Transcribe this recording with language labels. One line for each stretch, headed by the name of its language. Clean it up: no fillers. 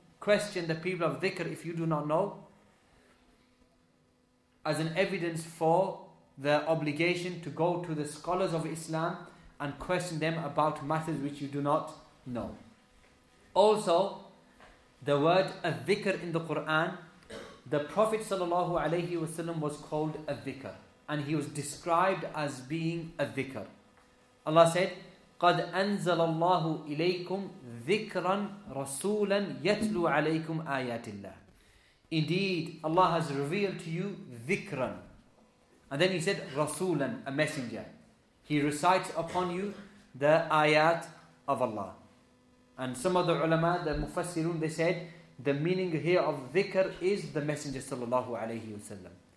English: Question the people of dhikr if you do not know, as an evidence for the obligation to go to the scholars of Islam and question them about matters which you do not know. Also, the word al-dhikr in the Quran, the Prophet sallallahu alaihi wasallam was called a dhikr, and he was described as being a dhikr. Allah said,
Arabic: قَدْ أَنزَلَ اللَّهُ إِلَيْكُمْ ذِكْرًا رَسُولًا يَتْلُوا عَلَيْكُمْ آيَاتِ اللَّهِ.
English: Indeed, Allah has revealed to you
Arabic: ذِكْرًا.
English: And then he said,
Arabic: رَسُولًا,
English: a messenger. He recites upon you the ayat of Allah. And some of the ulama, the mufassirun, they said, the meaning here of ذِكْر is the messenger sallallahu alayhi wasallam.